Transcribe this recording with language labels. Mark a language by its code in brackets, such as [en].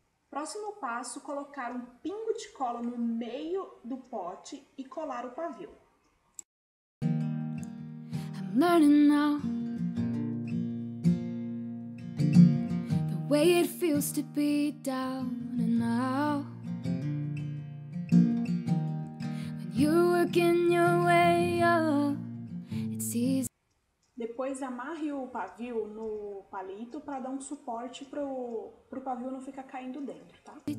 [pt] Próximo passo, colocar um pingo de cola no meio do pote e colar o pavio. [en] I'm learning now the way it feels to be down and out. When you're working your way up, it's easy. [pt] Depois amarre o pavio no palito para dar um suporte pro pavio não ficar caindo dentro, tá?